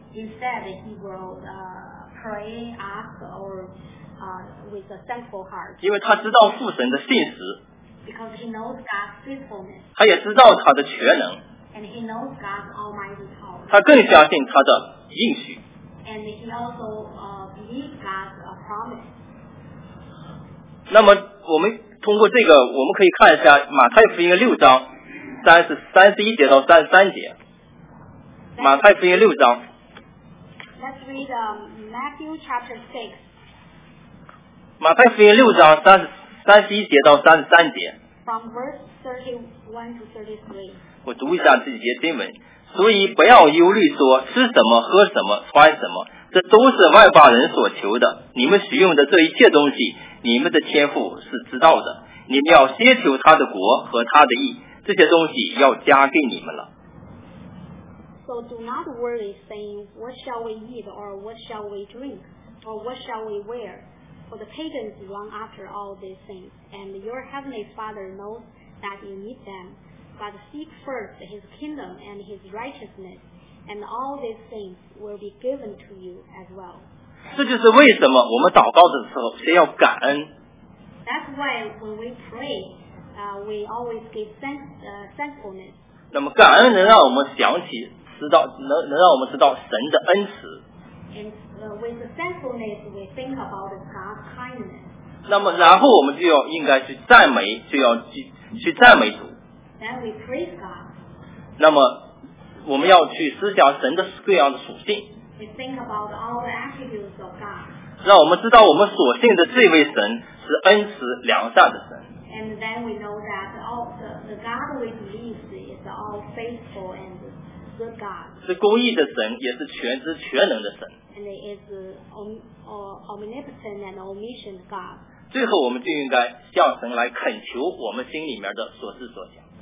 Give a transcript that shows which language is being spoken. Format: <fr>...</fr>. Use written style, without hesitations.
<en>Instead, he will pray, ask, or with a thankful heart.</en> <zh>因为他知道父神的信实。</zh> <en>Because he knows God's faithfulness.</en> <zh>他也知道他的全能。</zh> <en>And he knows God's almighty power.</en> <zh>他更相信他的应许。</zh> <en>And he also believes God's promise.</en> <zh>那么我们通过这个，我们可以看一下马太福音六章31节到33节。马太福音六章。</zh> <en>Let's read Matthew chapter 6.</en> <zh>马太福音六章31节到33节。</zh> <en>From verse 31 to 33.</en> <zh>我读一下这节经文。所以不要忧虑说吃什么喝什么穿什么，这都是外邦人所求的，你们使用的这一切东西你们的天父是知道的，你们要先求他的国和他的义，这些东西要加给你们了。</zh> <en>So do not worry saying what shall we eat or what shall we drink or what shall we wear, for the pagans long after all these things, and your heavenly father knows that you need themBut seek first his kingdom and his righteousness, and all these things will be given to you as well.</en> <zh>这就是为什么我们祷告的时候先要感恩。</zh> <en>That's why when we pray, we always give thankfulness.</en> <zh>那么感恩能让我们想起，知道，能让我们知道神的恩慈。</zh> <en>And with the thankfulness, we think about God's kindness.</en> <zh>那么然后我们就要应该去赞美，就要去赞美主。</zh> <en>Then we praise God.</en> <zh>那么我们要去思想神的各样的属性。</zh> <en>We think about all the attributes of God.</en> <zh>让我们知道我们所信的这位神是恩慈良善的神。</zh> <en>And then we know that the God we believe is all faithful and good God.</en> <zh>是公义的神，也是全知全能的神。</zh> <en>And he is omnipotent and omniscient God.</en> <zh>最后我们就应该向神来恳求我们心里面的所思所想。</zh>